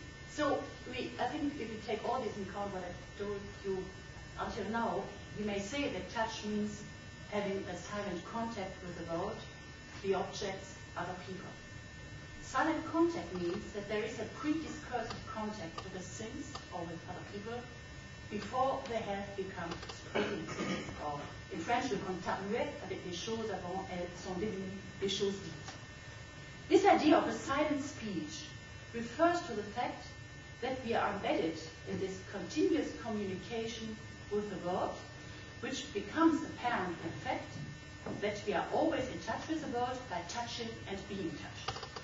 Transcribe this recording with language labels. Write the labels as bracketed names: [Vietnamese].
[English] So I think if you take all this in account, what I've told you until now, you may say that touch means having a silent contact with the world, the objects, other people. Silent contact means that there is a pre-discursive contact with the things or with other people before they have become experienced. Or in French, [French] le contact muet avec les choses avant elles sont devenues les choses dites. [English] This idea of a silent speech refers to the fact that we are embedded in this continuous communication with the world, which becomes apparent in fact that we are always in touch with the world by touching and being touched.